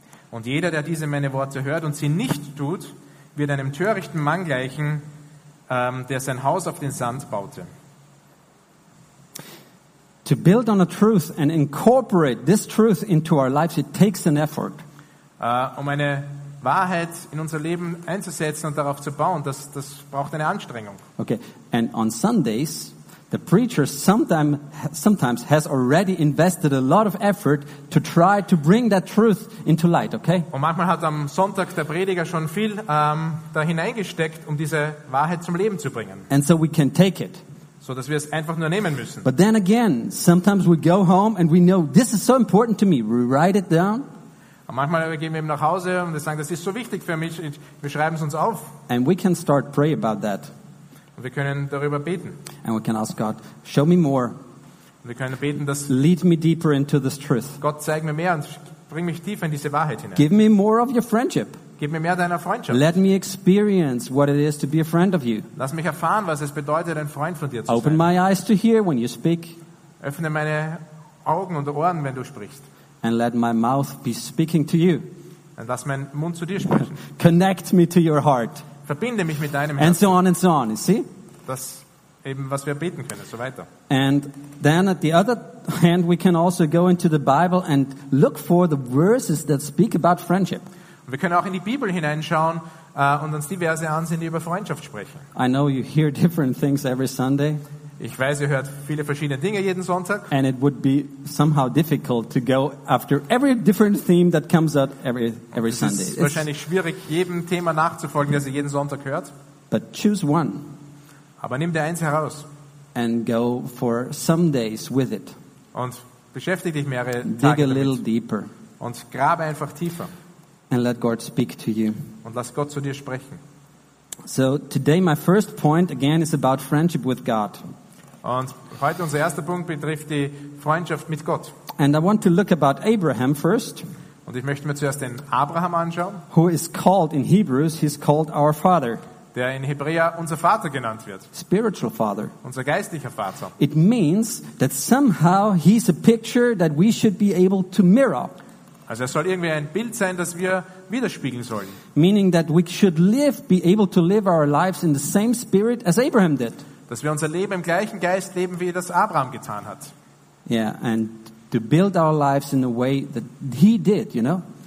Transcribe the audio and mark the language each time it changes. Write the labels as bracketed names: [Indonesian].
[German] Und jeder, der diese meine Worte hört und sie nicht tut, wird einem törichten Mann gleichen, der sein Haus auf den Sand baute. [English] To build on a truth and incorporate this truth into our lives, it takes an effort. [German] Eine Wahrheit in unser Leben einzusetzen und darauf zu bauen, das braucht eine Anstrengung. [English] Okay, and on Sundays, the preacher sometimes has already invested a lot of effort to try to bring that truth into light, okay? [German] Und manchmal hat am Sonntag der Prediger schon viel da hineingesteckt, um diese Wahrheit zum Leben zu bringen. [English] And so we can take it. [German] So dass wir es einfach nur nehmen müssen. [English] But then again, sometimes we go home and we know this is so important to me. We write it down. [German] Und manchmal gehen wir eben nach Hause und wir sagen, das ist so wichtig für mich. Wir schreiben es uns auf. [English] And we can start pray about that. [German] Und wir können darüber beten. [English] And we can ask God, show me more. [German] Und wir können beten, dass [English] lead me deeper into this truth. [German] Gott zeig mir mehr und bring mich tiefer in diese Wahrheit hinein. [English] Give me more of your friendship. [German] Gib mir mehr deiner Freundschaft. [English] Let me experience what it is to be a friend of you. [German] Lass mich erfahren, was es bedeutet, ein Freund von dir zu sein. [English] Open my eyes to hear when you speak. [German] Öffne meine Augen und Ohren, wenn du sprichst. [English] And let my mouth be speaking to you. [German] Und lass mein Mund zu dir sprechen. [English] Connect me to your heart. [German] Verbinde mich mit deinem Herzen. [English] And so on, you see? [German] Das eben, was wir beten können, so weiter. [English] And then at the other hand, we can also go into the Bible and look for the verses that speak about friendship. [German] Wir können auch in die Bibel hineinschauen und uns die Verse ansehen, die über Freundschaft sprechen. [English] I know you hear different things every Sunday. [German] Ich weiß, ihr hört viele verschiedene Dinge jeden Sonntag. [English] And it would be somehow difficult to go after every different theme that comes out every Sunday. [German] Es ist wahrscheinlich schwierig, jedem Thema nachzufolgen, das ihr jeden Sonntag hört. [English] But choose one. [German] Aber nimm dir eins heraus. [English] And go for some days with it. [German] Und beschäftige dich mehrere Tage damit. [English] Dig a little deeper. [German] Und grabe einfach tiefer. [English] And let God speak to you. [German] Und lass Gott zu dir sprechen. [English] So today my first point again is about friendship with God. [German] Und heute unser erster Punkt betrifft die Freundschaft mit Gott. [English] And I want to look about Abraham first. [German] Und ich möchte mir zuerst den Abraham anschauen. [English] Who is called in Hebrews, he's called our father. [German] Der in Hebräer unser Vater genannt wird. [English] Spiritual father. [German] Unser geistlicher Vater. [English] It means that somehow he's a picture that we should be able to mirror. [German] Also es soll irgendwie ein Bild sein, das wir widerspiegeln sollen. [English] Meaning that we should live, be able to live our lives in the same spirit as Abraham did. [German] Dass wir unser Leben im gleichen Geist leben, wie das Abraham getan hat. [English] Yeah, and to build our lives in a way that he did, you know.